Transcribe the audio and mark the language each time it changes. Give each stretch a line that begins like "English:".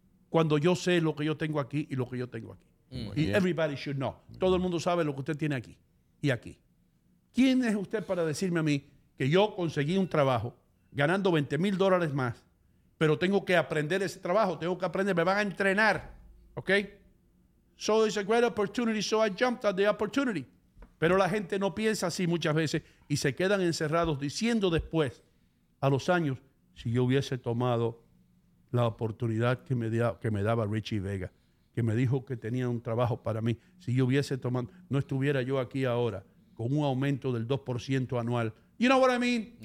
Spanish: Cuando yo sé lo que yo tengo aquí y lo que yo tengo aquí. Y
English: everybody should know.
Spanish: Todo el mundo sabe lo que usted tiene aquí y aquí. ¿Quién es usted para decirme a mí que yo conseguí un trabajo ganando 20 mil dólares más, pero tengo que aprender ese trabajo, tengo que aprender, me van a entrenar? ¿Ok?
English: So it's a great opportunity, so I jumped at the opportunity.
Spanish: Pero la gente no piensa así muchas veces y se quedan encerrados diciendo después, a los años, si yo hubiese tomado la oportunidad que me daba Richie Vega, que me dijo que tenía un trabajo para mí, si yo hubiese tomado, no estuviera yo aquí ahora con un aumento del 2% anual.
English: You know what I mean?